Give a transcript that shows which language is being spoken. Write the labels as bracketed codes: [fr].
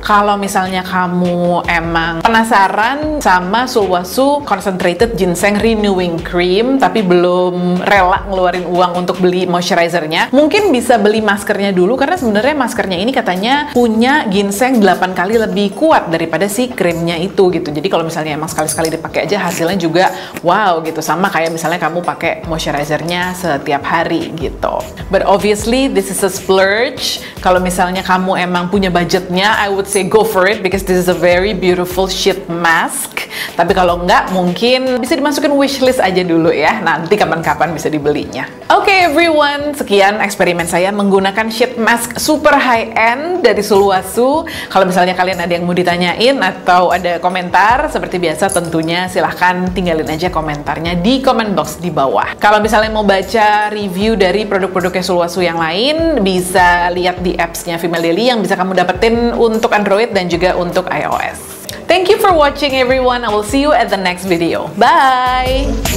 [id] Kalau misalnya kamu emang penasaran sama Sulwhasoo Concentrated Ginseng Renewing Cream tapi belum rela ngeluarin uang untuk beli moisturizernya, mungkin bisa beli maskernya dulu karena sebenarnya maskernya ini katanya punya ginseng 8 kali lebih kuat daripada si krimnya itu gitu. Jadi kalau misalnya emang sekali-sekali dipakai aja hasilnya juga wow gitu, sama kayak misalnya kamu pakai moisturizernya setiap hari gitu. [en] But obviously this is a splurge. [id] Kalau misalnya kamu emang punya budgetnya, [en] I would say go for it because this is a very beautiful sheet mask. [id] Tapi kalau enggak, mungkin bisa dimasukin wishlist aja dulu ya, nanti kapan-kapan bisa dibelinya. Okay, everyone, sekian eksperimen saya menggunakan sheet mask super high end dari Sulwhasoo. Kalau misalnya kalian ada yang mau ditanyain atau ada komentar, seperti biasa tentunya silahkan tinggalin aja komentarnya di comment box di bawah. Kalau misalnya mau baca review dari produk-produknya Sulwhasoo yang lain, bisa lihat di apps-nya Female Daily yang bisa kamu dapetin untuk Android dan juga untuk iOS. [en] Thank you for watching everyone, I will see you at the next video. Bye!